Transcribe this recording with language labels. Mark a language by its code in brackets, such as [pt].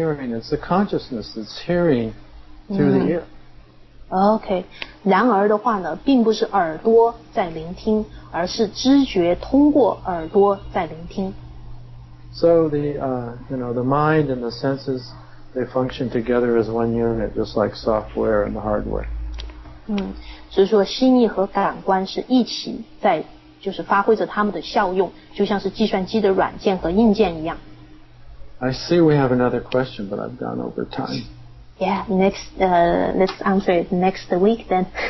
[en] The ear is not hearing. It's the consciousness that's hearing through the ear. Okay. [zh] 然而的话呢，并不是耳朵在聆听，而是知觉通过耳朵在聆听。 [en] So the mind and the senses, they function together as one unit, just like software and hardware. [zh] 所以说心意和感官是一起在就是发挥着他们的效用，就像是计算机的软件和硬件一样。 [en] I see we have another question, but I've gone over time. Yeah, let's answer it next week then.